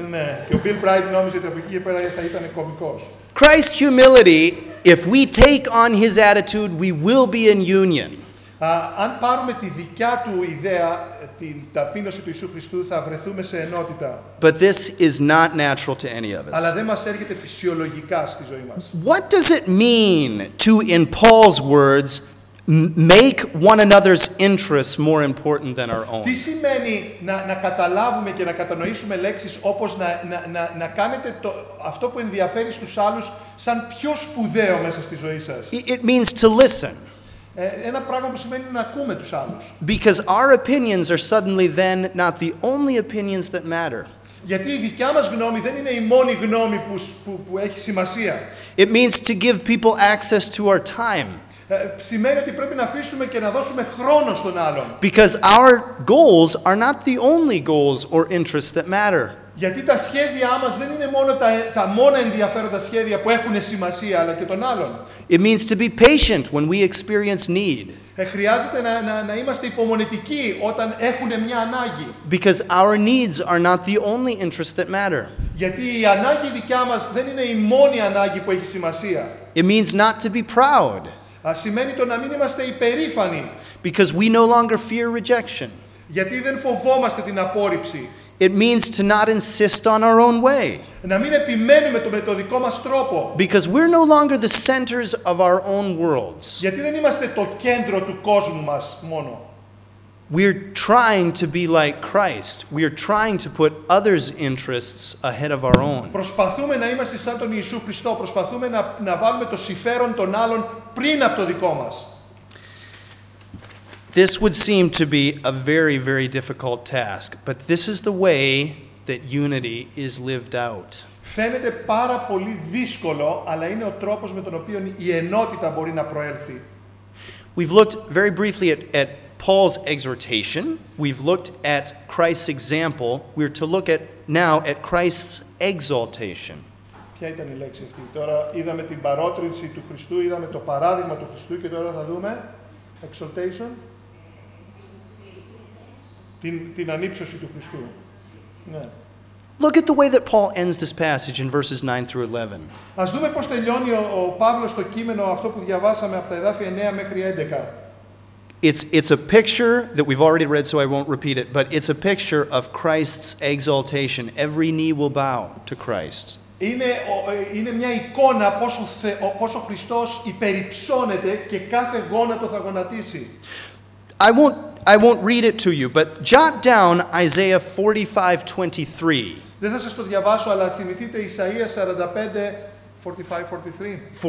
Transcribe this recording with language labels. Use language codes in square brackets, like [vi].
[el] Ναι, και ο Bill Bright νόμιζε ότι από εκεί πέρα θα ήταν κωμικός. [en] Christ's humility, if we take on his attitude, we will be in union. [el] Αν πάρουμε τη δικιά του ιδέα, την ταπείνωση του Ιησού Χριστού, θα βρεθούμε σε ενότητα. [en] But this is not natural to any of us. [el] Αλλά δεν μας έρχεται φυσιολογικά στη ζωή μας. [en] What does it mean to, in Paul's words, make one another's interests more important than our own? [el] Τι σημαίνει να καταλάβουμε και να κατανοήσουμε λέξεις όπως να κάνετε αυτό που ενδιαφέρει στους άλλους σαν πιο σπουδαίο μέσα στη ζωή σας? [en] It means to listen. [el] Ένα πράγμα που σημαίνει να ακούμε τους άλλους. [en] Because our opinions are suddenly then not the only opinions that matter. [el] Γιατί η δικιά μας γνώμη δεν είναι η μόνη γνώμη που έχει σημασία. [en] It means to give people access to our time. [el] Σημαίνει ότι πρέπει να αφήσουμε και να δώσουμε χρόνο στον άλλον. [en] Because our goals are not the only goals or interests that matter. [el] Γιατί τα σχέδιά μας δεν είναι μόνο τα μόνα ενδιαφέροντα σχέδια που έχουν σημασία, αλλά και των άλλων. [en] It means to be patient when we experience need. [el] Χρειάζεται να είμαστε υπομονετικοί όταν έχουν μια ανάγκη. [en] Because our needs are not the only interest that matter. [el] Γιατί η ανάγκη δικιά μας δεν είναι η μόνη ανάγκη που έχει σημασία. [en] It means not to be proud. [el] Σημαίνει το να μην είμαστε υπερήφανοι. [en] Because we no longer fear rejection. [el] Γιατί δεν φοβόμαστε την απόρριψη. [en] It means to not insist on our own way. [el] Να μην επιμένουμε με το δικό μας τρόπο. [en] Because we're no longer the centers of our own worlds. [el] Γιατί δεν είμαστε το κέντρο του κόσμου μας μόνο. [en] We're trying to be like Christ. We're trying to put others' interests ahead of our own. [el] Προσπαθούμε να είμαστε σαν τον Ιησού Χριστό. Προσπαθούμε να βάλουμε το συμφέρον των άλλων πριν από το δικό μας. [en] This would seem to be a very, very difficult task, but this is the way that unity is lived out. [el] Φαίνεται πάρα πολύ δύσκολο, αλλά είναι ο τρόπος με τον οποίο η ενότητα μπορεί να προέλθει. [en] We've looked very briefly at Paul's exhortation. We've looked at Christ's example. We're to look at now at Christ's exaltation. [el] Ποια ήταν η λέξη αυτή? Τώρα είδαμε την παρότρινση του Χριστού, είδαμε το παράδειγμα του Χριστού και τώρα θα δούμε exaltation. Την ανύψωση του Χριστού. Ναι. [en] Look at the way that Paul ends this passage in verses 9 through 11. [el] Ας δούμε πώς τελειώνει ο Παύλος το κείμενο αυτό που διαβάσαμε από τα εδάφια 9 μέχρι 11. [en] It's a picture that we've already read, so I won't repeat it, but it's a picture of Christ's exaltation. Every knee will bow to Christ. [el] Είναι μια εικόνα πόσο Χριστός υπερυψώνεται και κάθε γόνατο θα γονατίσει. [en] I won't read it to you, but jot down Isaiah 45:23. [el] Δεν θα σας το διαβάσω, αλλά θυμηθείτε Ισαΐας 45, 45:23.